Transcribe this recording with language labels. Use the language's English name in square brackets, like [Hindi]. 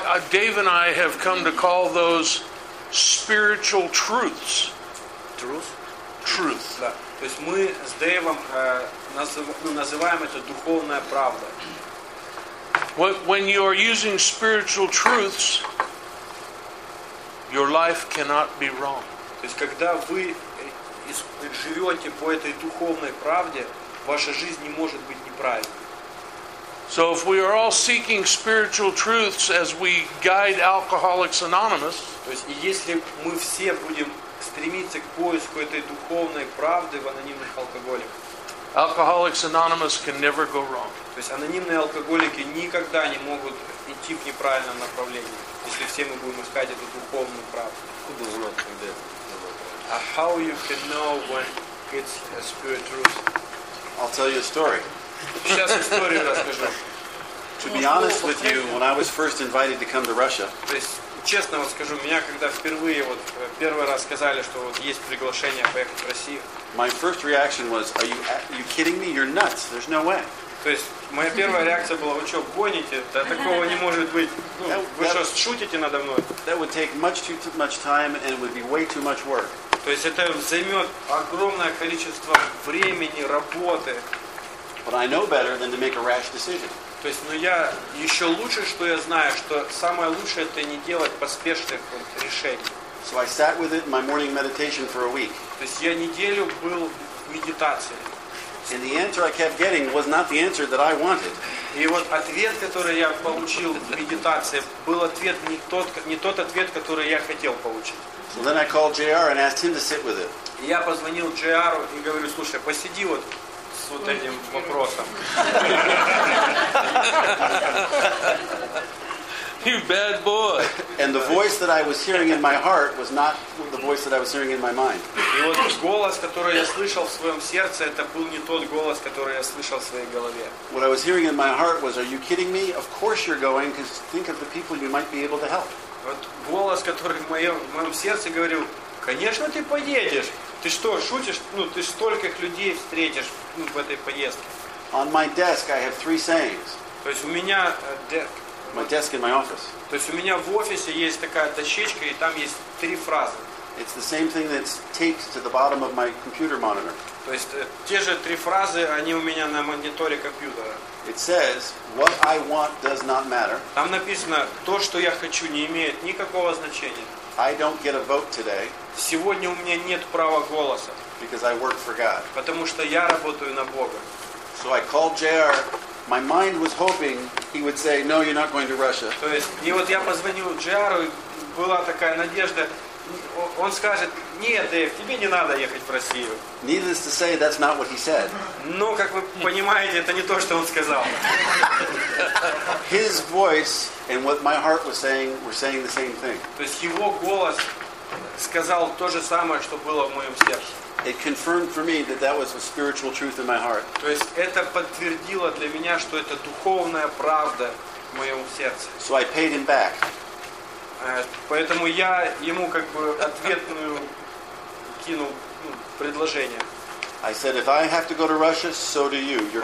[English] Dave and I have come to call those spiritual truths. Truth? Truth. [Russian] Да. То есть мы с Дэйвом называем это духовная правда. [English] When you are using spiritual truths, your life cannot be wrong. [Russian] То есть когда вы живете по этой духовной правде, ваша жизнь не может быть неправильной. [English] So if we are all seeking spiritual truths as we guide Alcoholics Anonymous, [Russian] то есть если мы все будем стремиться к поиску этой духовной правды в анонимных алкоголиках, [English] Alcoholics Anonymous can never go wrong. [Russian] То есть анонимные алкоголики никогда не могут идти в неправильном направлении, если все мы будем искать эту духовную правду. Куда узнать, когда? [English] А how you can know when it's a spiritual truth? I'll tell you a story. [Russian] Сейчас историю расскажу. [English] To be honest with you, when I was first invited to come to Russia, [Russian] честно вот скажу, меня когда впервые вот первый раз сказали, что вот есть приглашение поехать в Россию. [English] My first reaction was, are you kidding me? You're nuts. There's no way. [Russian] То есть моя первая реакция была, вы что, гоните? Да такого не может быть. Ну, вы что, шутите надо мной? [English] That would take much too much time and it would be way too much work. [Russian] То есть это займет огромное количество времени, работы. [English] But I know better than to make a rash decision. [Russian] То есть, ну я еще лучше, что я знаю, что самое лучшее это не делать поспешных вот, решений. [English] So I sat with it in my morning meditation for a week. [Russian] То есть я неделю был в медитации. [English] And the answer I kept getting was not the answer that I wanted. [Russian] И вот ответ, который я получил в медитации, был ответ не тот ответ, который я хотел получить. [English] So then I called JR and asked him to sit with it. [Russian] Я позвонил JR и говорю, слушай, посиди вот с вот этим вопросом. [English] You bad boy. And the voice that I was hearing in my heart was not the voice that I was hearing in my mind. [Russian] И вот голос, который я слышал в своем сердце, это был не тот голос, который я слышал в своей голове. [English] What I was hearing in my heart was, are you kidding me? Of course you're going, because think of the people you might be able to help. [Russian] Вот голос, который в моем сердце говорил, конечно, ты поедешь. Ты что, шутишь? Ну, ты столько людей встретишь в этой поездке. [English] On my desk I have three sayings. [Russian] То есть у меня... [English] My desk in my office. [Russian] То есть у меня в офисе есть такая дощечка, и там есть три фразы. [English] It's the same thing that's taped to the bottom of my computer monitor. [Russian] То есть те же три фразы, они у меня на мониторе компьютера. [English] It says, what I want does not matter. [Russian] Там написано, то, что я хочу, не имеет никакого значения. [English] I don't get a vote today. [Russian] Сегодня у меня нет права голоса. [English] Because I work for God. [Russian] Потому что я работаю на Бога. [English] So I called JR. My mind was hoping he would say, no, you're not going to Russia. [Russian] То есть, и вот я позвонил JR, была такая надежда. Он скажет, нет, Дэйв, тебе не надо ехать в Россию. [English] Needless to say, that's not what he said. [Russian] Но, как вы понимаете, это не то, что он сказал. [English] His voice and what my heart was saying were saying the same thing. [Russian] То есть его голос сказал то же самое, что было в моем сердце. [English] It confirmed for me that that was a spiritual truth in my heart. [Russian] То есть это подтвердило для меня, что это духовная правда в моем сердце. [English] So I paid him back. [Russian] Поэтому я ему как бы ответную кинул предложение. [English] I said, if I have to go to Russia, so do you. You're